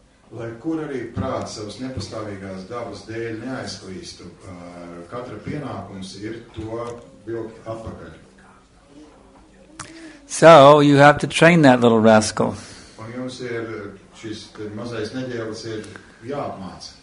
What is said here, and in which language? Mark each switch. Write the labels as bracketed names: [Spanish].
[Latvian] Lai kur arī prāts savas nepastāvīgās dabas dēļ neaizklīstu, katra pienākums ir to vilkt apakaļ. [English] So, you have to train that little rascal. [Latvian] Un jums ir šis mazais nedēļas ir jāapmāca.